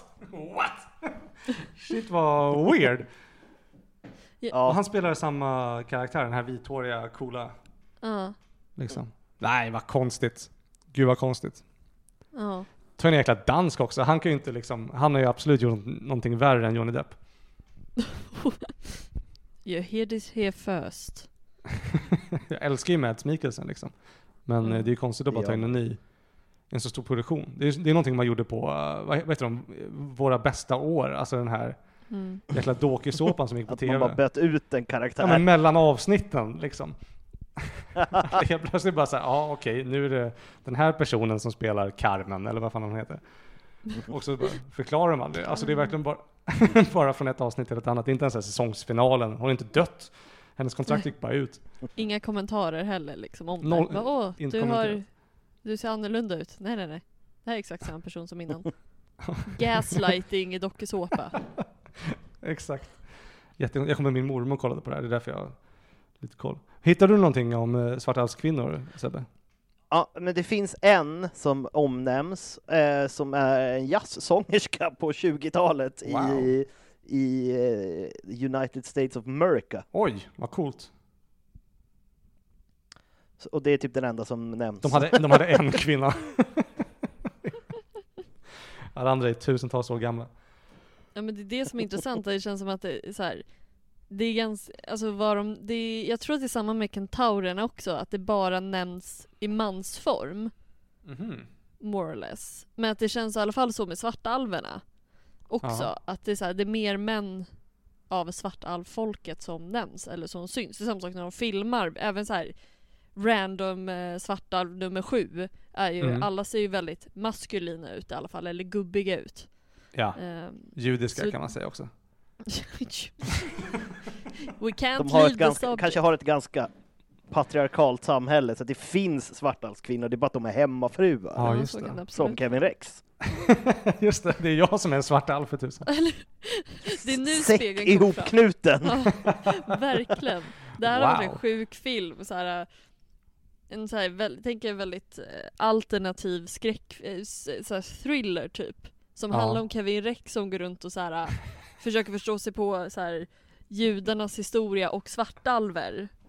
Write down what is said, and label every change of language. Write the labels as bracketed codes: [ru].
[en] What? Shit, var weird. Ja. [sv] Och han spelar samma karaktär, den här vithåriga, coola. Ja. Liksom. Nej, vad konstigt. Gud vad konstigt. Ja. Tog en jäkla dansk också. Han kan ju inte liksom, han har ju absolut gjort någonting värre än Johnny Depp. [en] You hear this here first. [sv] Jag älskar ju Mads Mikkelsen liksom. Men det är ju konstigt att bara ta in en så stor produktion. Det är någonting man gjorde på våra bästa år. Alltså den här jäkla dokusåpan som gick på att TV. Att man bara bett ut en karaktär. Ja, men mellan avsnitten liksom. Jag plötsligt bara så här, ja okej, nu är det den här personen som spelar Carmen, eller vad fan hon heter. Och så förklarar man det. Alltså det är verkligen bara, bara från ett avsnitt till ett annat. Det är inte ens säsongsfinalen. Hon är inte dött. Hennes kontrakt gick bara ut. Inga kommentarer heller liksom om noll, det. Åh, du har, du ser annorlunda ut. Nej, nej, nej. Det här är exakt samma person som innan. Gaslighting i dokusåpa. Exakt. Jag kommer med min mormor och kollade på det här. Det är därför jag har lite koll. Hittar du någonting om svartalskvinnor, Sebbe? Ja, men det finns en som omnämns som är en jazzsångerska på 20-talet. Wow. [en] I United States of America. [sv] Oj, vad coolt. Så, och det är typ den enda som nämns. De hade en kvinna. Alla andra är tusentals år gamla. Ja, men det är det som är intressant. Det känns som att det är så här, det är ganska, alltså var de, det är, jag tror att det är samma med kentaurerna också, att det bara nämns i mansform. Mm-hmm. [en] More or less. [sv] Men att det känns i alla fall så med svartalverna också. Aha. Att det är så här, det är mer män av svartalvfolket som nämns eller som syns. Det är samma sak när de filmar, även så här random svartalv nummer 7 är ju, alla ser ju väldigt maskulina ut i alla fall, eller gubbiga ut. Ja, judiska så, kan man säga också. [en] We can't leave the subject. [sv] Kanske har ett ganska patriarkalt samhälle, så att det finns svartalskvinnor, det är bara att de är hemmafruar. Ja, just det. Som Kevin Rex. Just det, det är jag som är en svartalv för tusen. Det är nu spegeln kommer fram. Säck ihop knuten. Ja, verkligen. Det här, wow, har varit en sjuk film. Så här, en så här, tänker jag, väldigt alternativ skräck, så här, thriller typ, som, ja, handlar om Kevin Rex som går runt och så här försöker förstå sig på så här, judarnas historia och svartalver.